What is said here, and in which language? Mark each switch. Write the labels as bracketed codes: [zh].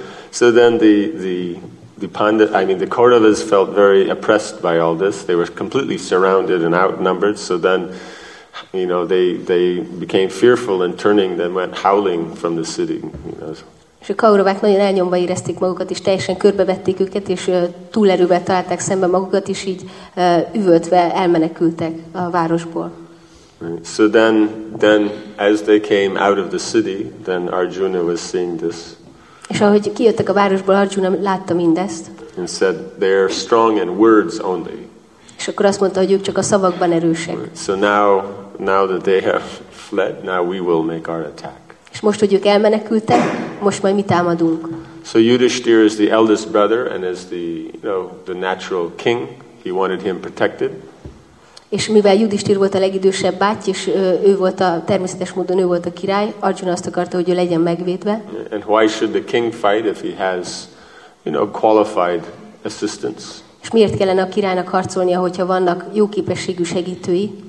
[en] So then the Pandit, I mean the Kauravas felt very oppressed by all this. They were completely surrounded and outnumbered. So then, you know, they became fearful and turning, then went howling from the city. You know. [hu] És a Kauravák nagyon elnyomva érezték magukat, és teljesen körbevették őket, és túlerővel találták szembe magukat, és így üvöltve elmenekültek a városból. [en] So then as they came out of the city, then Arjuna was seeing this. [hu] És ahogy kijöttek a városból, Arjuna látta mindezt. [en] And said, they are strong in words only. [hu] És akkor azt mondta, hogy ők csak a szavakban erősek. [en] So now that they have fled, now we will make our attack. [hu] És most, hogy ők elmenekültek, most majd mi támadunk. [en] So Yudhishthir is the eldest brother and is the, you know, the natural king. He wanted him protected. [hu] És mivel Yudhishthir volt a legidősebb báty, és ő volt a természetes módon ő volt a király, Arjuna azt akarta, hogy ő legyen megvédve. [en] And why should the king fight if he has, you know, qualified assistants? [hu] És miért kellene a királynak harcolnia, hogyha vannak jó képességű segítői?